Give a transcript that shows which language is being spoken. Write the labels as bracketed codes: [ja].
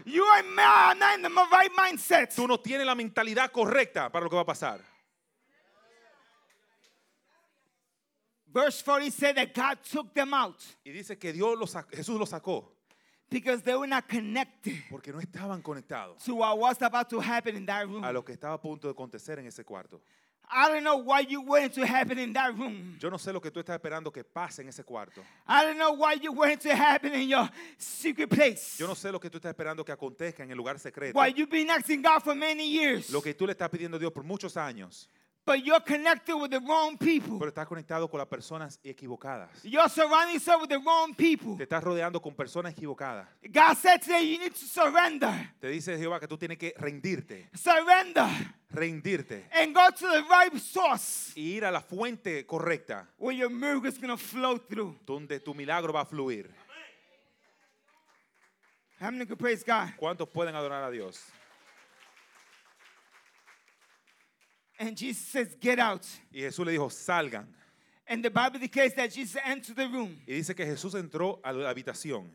[en] You are mad, not in the right mindset. [es] Tú no tienes la mentalidad correcta para lo que va a pasar. [en] Verse 40 said that God took them out. [es] Y dice que Dios los Jesús los sacó. [en] Because they were not connected. [es] Porque no estaban conectados. [en] To what was about to happen in that room. [es] A lo que estaba a punto de acontecer en ese cuarto. [en] I don't know why you went to happen in that room. [es] Yo no sé lo que tú estás esperando que pase en ese cuarto. [en] I don't know why you went to happen in your secret place. [es] Yo no sé lo que tú estás esperando que acontezca en el lugar secreto. [en] Why you've been asking God for many years. [es] Lo que tú le estás pidiendo a Dios por muchos años. [en] But you're connected with the wrong people. [es] Pero estás conectado con las personas equivocadas. [en] You're surrounding yourself with the wrong people. [es] Te estás rodeando con personas equivocadas. [en] God said to you, you need to surrender. [es] Te dice Jehová que tú tienes que rendirte. [en] Surrender. [es] Rendirte. [en] And go to the right source. [es] Y ir a la fuente correcta. [en] Where your miracle is going to flow through. [es] Donde tu milagro va a fluir. [en] How many can praise God? [es] ¿Cuántos pueden adorar a Dios? [en] And Jesus says, "Get out." [es] Y Jesús le dijo, "Salgan." [en] And the Bible declares that Jesus entered the room. [es] Y dice que Jesús entró a la habitación.